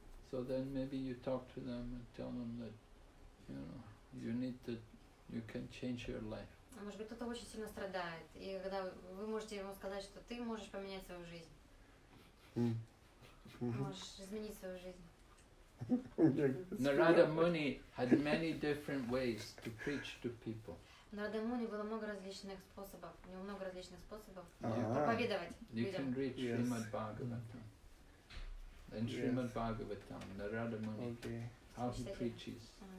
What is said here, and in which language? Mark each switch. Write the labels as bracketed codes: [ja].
[en] So then maybe you talk to them and tell them that, you know, you can change your life. [ru] Может быть, кто-то очень сильно страдает, и когда вы можете ему сказать, что ты можешь поменять свою жизнь, можешь изменить свою жизнь. [en] Narada Muni had many different ways to preach to people. [ru] Narada Muni было много различных способов. У него много различных способов проповедовать. [en] You can read Srimad Bhagavatam. In Srimad Bhagavatam, Narada Muni, how he preaches.